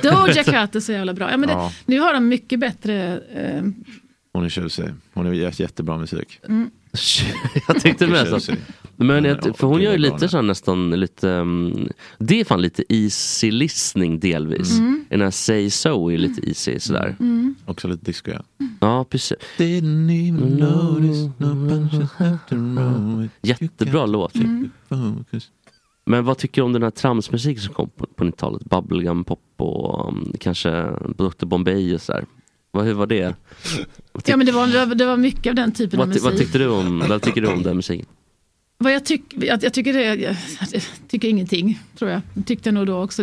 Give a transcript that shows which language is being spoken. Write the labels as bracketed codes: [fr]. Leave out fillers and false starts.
[sv] Doja Cat är så jävla bra. Ja, men det, nu har de mycket bättre... Hon är tjusig. Hon har gjort jättebra musik. Mm. Jag tyckte med så. Men jag, för hon gör ju lite så här, nästan lite... det är fan lite easy listening delvis. Mm. En här Say So är lite easy sådär. Mm. Också lite disco, ja. Ja, precis. [en] Didn't even notice no punches after all. [sv] Jättebra låt. Mm. Men vad tycker du om den här tramsmusiken som kom på 90-talet? Bubblegum pop och kanske Dr. Bombay och sådär. Hur var det? Ja, men det var mycket av den typen av musik. Vad tycker du om den musiken? Jag tycker ingenting, tror jag. Tyckte jag nog då också.